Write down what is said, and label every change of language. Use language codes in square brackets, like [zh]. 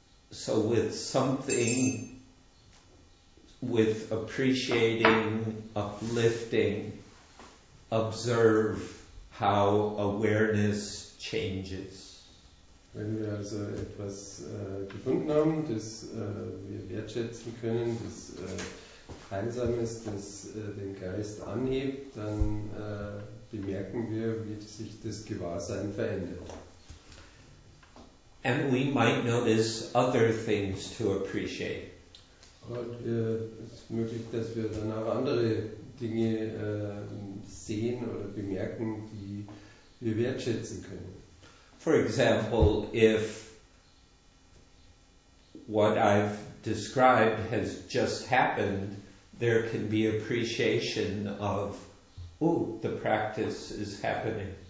[en] So with something, with appreciating, uplifting, observe how awareness changes. [de] Wenn wir also etwas gefunden haben, das wir wertschätzen können, das heilsam ist, das den Geist anhebt, dann bemerken wir, wie sich das Gewahrsein verändert. [en] And we might notice other things to appreciate. [de] Und es ist möglich, dass wir dann auch andere Dinge sehen oder bemerken, die wir wertschätzen können. [en] For example, if what I've described has just happened, there can be appreciation of, oh, the practice is happening.